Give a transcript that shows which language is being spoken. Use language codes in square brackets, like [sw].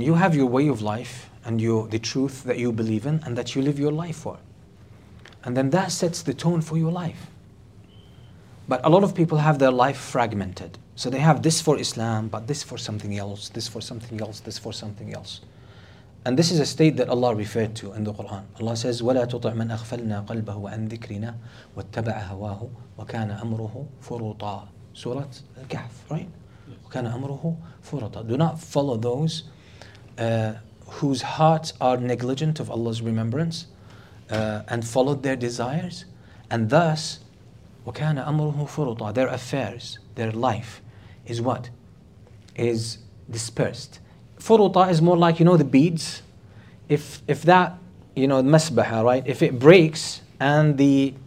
[en] You have your way of life and the truth that you believe in and that you live your life for. And then that sets the tone for your life. But a lot of people have their life fragmented. So they have this for Islam, but this for something else, this for something else, this for something else. And this is a state that Allah referred to in the Quran. Allah says, [ar] وَلَا تُطِعْ مَنْ أَغْفَلْنَا قَلْبَهُ وَأَنْ ذِكْرِنَا وَاتَّبَعَ هَوَاهُ وَكَانَ أَمْرُهُ فُرُطًا. [en] Surah Al-Kahf, right? [ar] وَكَانَ أَمْرُهُ فُرُطًا. [en] Do not follow those whose hearts are negligent of Allah's remembrance and followed their desires. And thus, [ar] وَكَانَ أَمْرُهُ فُرُطًا. [en] Their affairs, their life is what? Is dispersed. Furuta is more like, you know, the beads. If that, you know, the masbaha, right? If it breaks and the